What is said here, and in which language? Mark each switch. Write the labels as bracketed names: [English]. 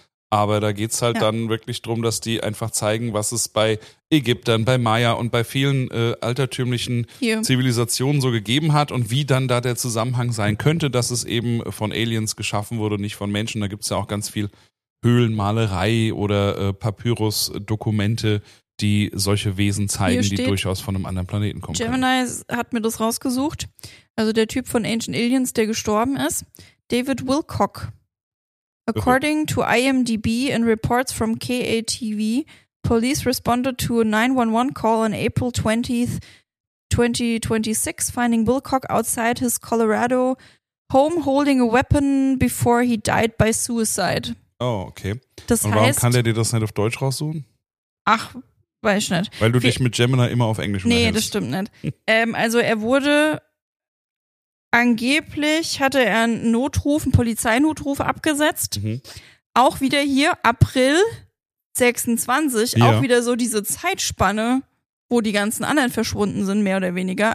[German] Aber da geht's halt dann wirklich drum, dass die einfach zeigen, was es bei Ägyptern, bei Maya und bei vielen altertümlichen Zivilisationen so gegeben hat und wie dann da der Zusammenhang sein könnte, dass es eben von Aliens geschaffen wurde, nicht von Menschen. Da gibt's ja auch ganz viel Höhlenmalerei oder Papyrus-Dokumente, die solche Wesen zeigen, steht, die durchaus von einem anderen Planeten kommen Gemini können. Gemini hat mir das rausgesucht. Also der Typ von Ancient Aliens, der gestorben ist. David Wilcock. [English] According to IMDb and reports from KATV, police responded to a 911 call on April 20th, 2026, finding Wilcock outside his Colorado home holding a weapon before he died by suicide. [German] Oh, okay. Das Und heißt, warum kann der dir das nicht auf Deutsch raussuchen? Ach, weiß ich nicht. Weil du dich mit Gemini immer auf Englisch unterhältst. Nee, das stimmt nicht. Also er wurde angeblich, hatte er einen Polizeinotruf abgesetzt. Mhm. Auch wieder hier April 26, auch wieder so diese Zeitspanne, wo die ganzen anderen verschwunden sind, mehr oder weniger.